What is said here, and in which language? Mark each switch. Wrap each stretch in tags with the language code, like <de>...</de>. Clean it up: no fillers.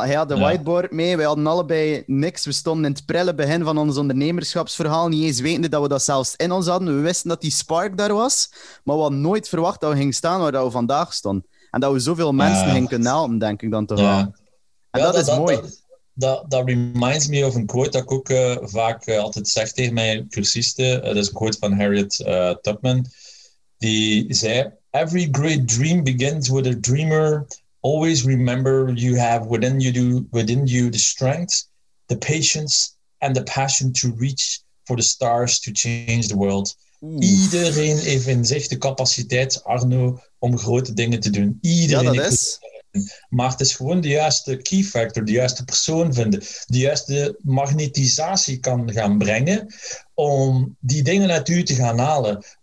<nl>Hij had de whiteboard mee, wij hadden allebei niks. We stonden in het prille begin van ons ondernemerschapsverhaal, niet eens wetende dat we dat zelfs in ons hadden. We wisten dat die spark daar was, maar we hadden nooit verwacht dat we gingen staan waar we vandaag stonden. En dat we zoveel mensen gingen kunnen helpen, denk ik dan toch wel. En dat is mooi. Dat</nl> <en>reminds me of</en> <nl>een quote dat ik ook vaak altijd zeg tegen mijn cursisten. Dat is een quote van Harriet Tubman. Die zei,</nl> <en>every great dream begins with a dreamer. Always remember you have within you the strength, the patience and the passion to reach for the stars to change the world.</en> <nl>Oef. Iedereen heeft in zich de capaciteit, Arno, om grote dingen te doen. Iedereen dat is. Maar het is gewoon de juiste key factor, de juiste persoon vinden, de juiste magnetisatie kan gaan brengen om die dingen uit u te gaan halen.</nl>